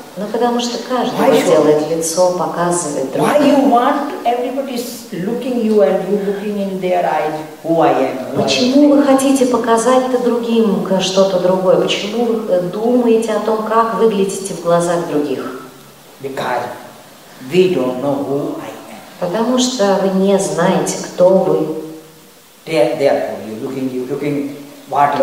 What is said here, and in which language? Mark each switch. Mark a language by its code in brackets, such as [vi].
[ru] Но потому что каждый делает лицо, показывает. [en] Why you want everybody looking you and you looking in their eyes who I am? [ru] Почему вы хотите показать-то другим что-то другое? Почему вы думаете о том, как выглядите в глазах других? [en] Because we don't know who I am. [ru] Потому что вы не знаете, кто вы. [en] Therefore, you're looking what